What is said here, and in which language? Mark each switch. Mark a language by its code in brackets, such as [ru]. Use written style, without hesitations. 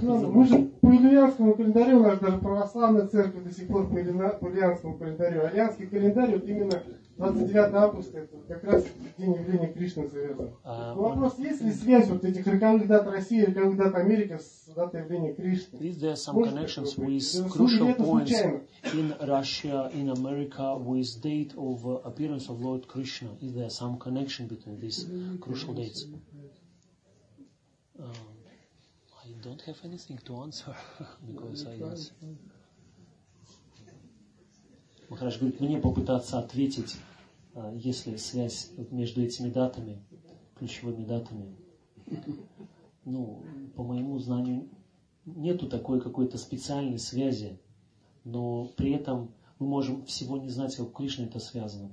[ru] Мы же по Ильянскому календарю, у нас даже православная церковь до сих пор по Ильянскому календарю. Ильянский календарь вот именно 29 августа, это как раз день явления Кришны завязан. Вопрос, есть ли связь вот этих роковых дат России, роковых дат Америки с датой явления Кришны? [en] Is there some connections with crucial points in Russia, in America, with date of appearance of Lord Krishna? Is there some connection between these crucial dates? I don't have anything to answer, because I don't... [ru] Хорошо, говорит, мне попытаться ответить, есть ли связь между этими датами, ключевыми датами. Ну, по моему знанию, нету такой какой-то специальной связи, но при этом мы можем всего не знать, как Кришна это связано.